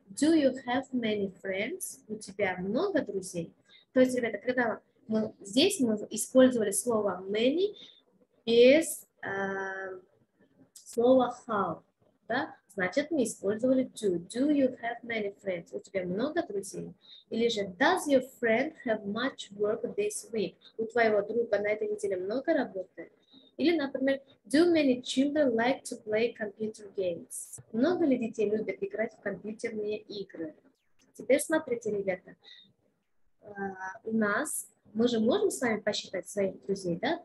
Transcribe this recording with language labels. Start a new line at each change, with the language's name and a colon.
English: Do you have many friends?
Russian: У тебя много друзей? То есть, ребята, когда мы здесь мы использовали слово many без слова how, да? Значит, мы использовали do.
English: Do you have many friends?
Russian: У тебя много друзей? Или же
English: does your friend have much work this week?
Russian: У твоего друга на этой неделе много работы? Или, например,
English: do many children like to play computer games?
Russian: Много ли детей любят играть в компьютерные игры? Теперь смотрите, ребята. У нас мы же можем с вами посчитать своих друзей, да?